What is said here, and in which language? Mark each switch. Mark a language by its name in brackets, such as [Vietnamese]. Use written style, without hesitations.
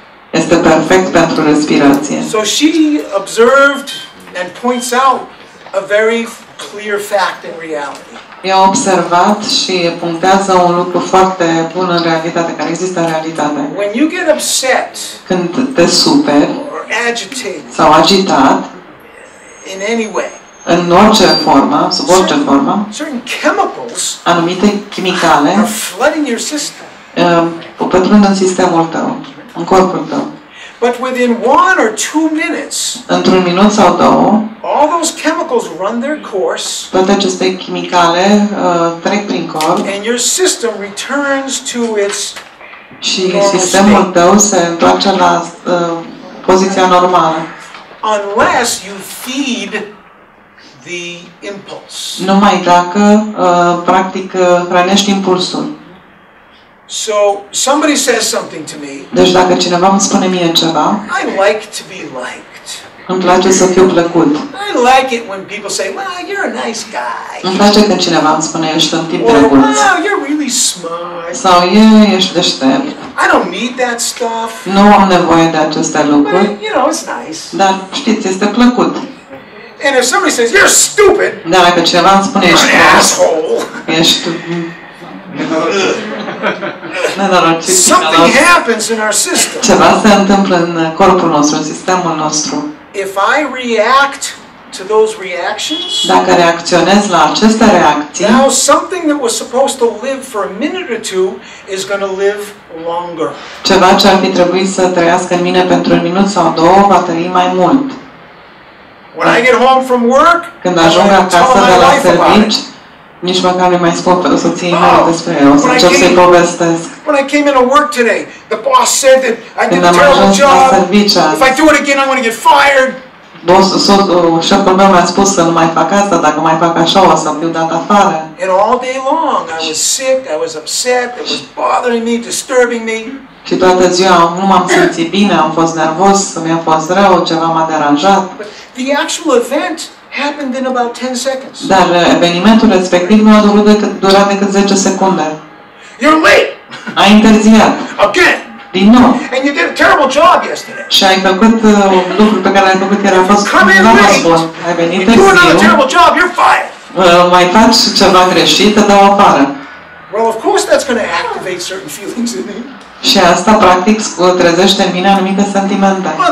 [Romanian] Este perfect pentru respirație. [English] So she observed and points out a very clear fact in reality. [Romanian] Ea a observat și punctează un lucru foarte bun în realitate, care există în realitate. [English] When you get upset, [Romanian] când te superi [English] or agitated, [Romanian] sau agitat [English] in any way, [Romanian] în orice formă, sub orice formă, [English] certain chemicals, [Romanian] anumite chimicale [English] flooding your system, [Romanian] pătrund în sistemul tău, în corpul tău. [English] But within one or two minutes, [Romanian] într-un minut sau două, [English] all those chemicals run their course, [Romanian] toate aceste chimicale trec prin corp, [English] and your system returns to its [Romanian] și sistemul tău se întoarce la poziția normală. [English] Unless you feed the impulse. [Romanian] Numai dacă practic hrănești impulsul. [English] So somebody says something to me. [Romanian] Deci dacă cineva îmi spune mie ceva. [English] I like to be liked. [Romanian] Îmi place să fiu plăcut. [English] I like it when people say, "Well, you're a nice guy." [Romanian] Îmi place când cineva îmi spune, "Ești un tip drăguț." [English] Wow, you're really smart. [Romanian] Sau, ești deștept. [English] I don't need that stuff. [Romanian] Nu am nevoie de aceste lucruri. [English] But, you know, it's nice. [Romanian] Dar știți, este plăcut. [English] And if somebody says, "You're stupid." [Romanian] Dar dacă cineva îmi spune, "Ești [English] an asshole." [Romanian] Ești [English] something happens in our system. [Romanian] Ceva se întâmplă în corpul nostru, în sistemul nostru. [English] If I react to those reactions, [Romanian] dacă reacționez la aceste reacții, [English] now something that was supposed to live for a minute or two is going to live longer. [Romanian] Ceva ce ar fi trebuit să trăiască în mine pentru un minut sau două va trăi mai mult. [English] When I get home from work, [Romanian] când ajung acasă de la serviciu, nici măcar nu mai spun pentru soției mele despre el, o să încerc să-i povestesc. [English] When I came into work today, the boss said that I did a terrible job. If I do it again, I'm going to get fired. [Romanian] Șeful meu mi-a spus să nu mai fac asta, dacă mai fac așa o să fiu dat afară. [English] And all day long, I was sick, I was upset, it was bothering me, disturbing me. [Romanian] Și toată ziua nu m-am simțit bine, am fost nervos, mi-a fost rău, ceva m-a deranjat. [English] The actual event happened in about 10 seconds. [Romanian] Dar evenimentul respectiv nu a durat decât 10 secunde. [English] You're late. [Romanian] Ai întârziat. [English] Again. [Romanian] Din nou. [English] And you did a terrible job yesterday. [Romanian] Și ai făcut un lucru pe care l-ai făcut chiar a fost nu a fost bun. Ai venit târziu. [English] You did a terrible job. You're fired. [Romanian] Mai faci ceva greșit, te dau afară. [English] Well, of course that's going to activate certain feelings in me. [Romanian] Și asta practic trezește în mine anumite sentimente.